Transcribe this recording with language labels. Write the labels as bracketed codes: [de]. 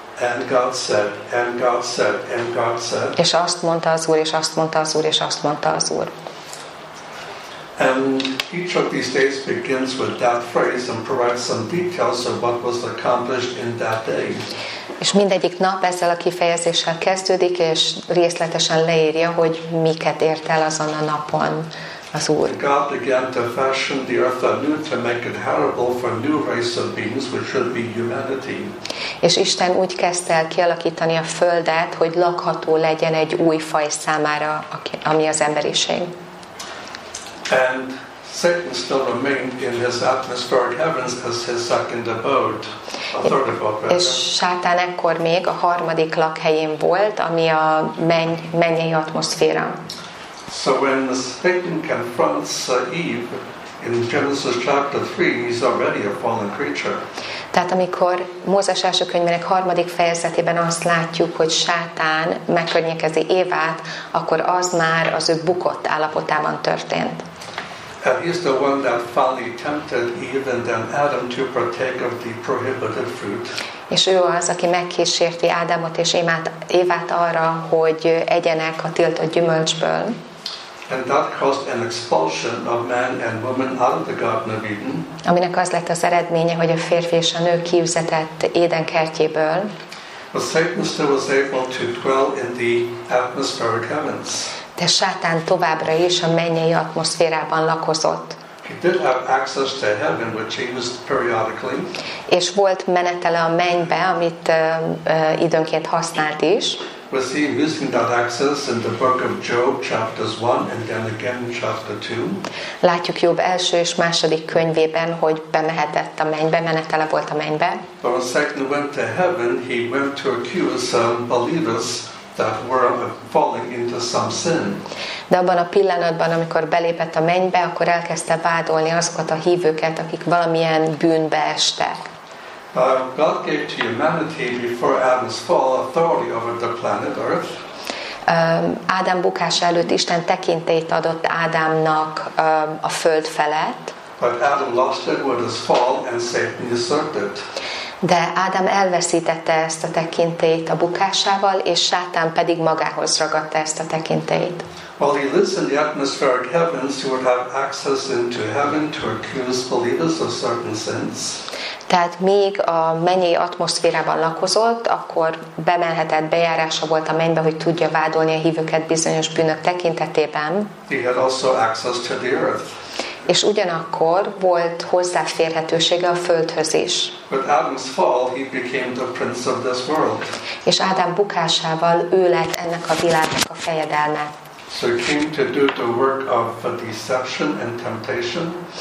[en] And God said, and God said, and God said. [hu] És azt mondta az Úr, és azt mondta az Úr, és azt mondta az Úr. [en] And each of these days begins with that phrase and provides some details of what was accomplished in that day. [hu] És mindegyik nap ezzel a kifejezéssel kezdődik, és részletesen leírja, hogy miket ért el azon a napon az Úr. [en] God began to fashion the earth anew to make it habitable for a new race of beings, which should be humanity. [hu] És Isten úgy kezdte el kialakítani a földet, hogy lakható legyen egy új faj számára, ami az emberiség. [en] And Satan still remained in his atmospheric heavens as his second abode. [hu] És Sátán ekkor még a harmadik lakhelyén volt, ami a mennyei atmoszféra. [en] So when Satan confronts Eve in Genesis chapter 3, he's already a fallen creature. [hu] Tehát amikor Mózes első könyvének harmadik fejezetében azt látjuk, hogy Sátán megkörnyékezi Évát, akkor az már az ő bukott állapotában történt. [en] And he's the one that finally tempted Eve and then Adam to partake of the prohibited fruit. [hu] És ő az, aki megkísérti Ádámot és Évát arra, hogy egyenek a tiltott gyümölcsből. [en] And that caused an expulsion of man and woman out of the Garden of Eden. [hu] Aminek az lett az eredménye, hogy a férfi és a nő kiüzetett Éden kertjéből. [en] But Satan still was able to dwell in the atmospheric heavens. [hu] De Sátán továbbra is a mennyei atmoszférában lakozott. [en] He did have access to heaven, which he used periodically. [hu] És volt menetele a mennybe, amit időnként használt is. [en] We'll see him using that access in the book of Job, chapters 1, and then again chapter 2. [hu] Látjuk Jobb első és második könyvében, hogy bemehetett a mennybe, menetele volt a mennybe. [en] But when Satan went to heaven, he went to accuse some believers that were falling into some sin. [hu] De abban a pillanatban, amikor belépett a mennybe, akkor elkezdte vádolni azokat a hívőket, akik valamilyen bűnbe estek. [en] God gave to humanity before Adam's fall authority over the planet Earth. [hu] Ádám bukás előtt Isten tekintélyt adott Ádámnak a föld felett. [en] But Adam lost it with his fall and Satan usurped. [hu] De Ádám elveszítette ezt a tekintélyt a bukásával, és Sátán pedig magához ragadta ezt a tekintélyt. [en] While he lives in the atmospheric heavens, he would have access into heaven to accuse believers of certain sins. [hu] Tehát míg a mennyei atmoszférában lakozott, akkor bemelhetett, bejárása volt a mennybe, hogy tudja vádolni a hívőket bizonyos bűnök tekintetében. [en] He had also access to the earth. [hu] És ugyanakkor volt hozzáférhetősége a földhöz is. [en] With Adam's fall, he became the prince of this world. [hu] És Ádám bukásával ő lett ennek a világnak a fejedelme. [en] So he came to do the work of deception and temptation.